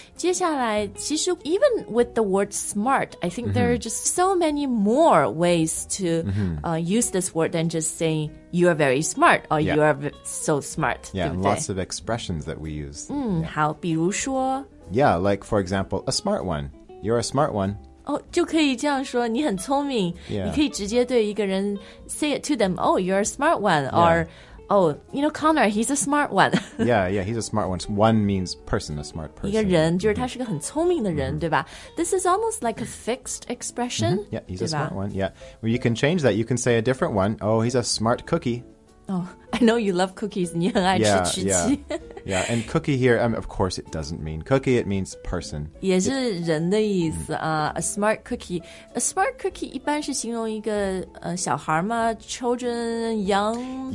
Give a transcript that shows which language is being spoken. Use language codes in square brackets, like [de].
[en] 接下来，其实 even with the word smart, I think there are just so many more ways to use this word than just saying. You are very smart, or you are so smart. Yeah, and lots of expressions that we use. [zh] 好，比如说。 [en] Yeah, like for example, a smart one. You're a smart one. [zh] 哦，就可以这样说，你很聪明。 [en] Yeah. 你可以直接对一个人 say it to them, oh, you're a smart one, or, oh, you know, Connor, he's a smart one. yeah, he's a smart one. One means person, a smart person. [zh] 一个人，就是他是个很聪明的人，对吧？ [en] This is almost like a fixed expression. Yeah, he's a smart one, yeah. Well, you can change that. You can say a different one. Oh, he's a smart cookie. Oh, I know you love cookies. 你很爱吃曲奇。 Yeah, and cookie here, of course, it doesn't mean cookie. It means person. [zh] 也是人的意思啊。 A smart cookie. A smart cookie 一般是形容一个小孩吗 Children, young person.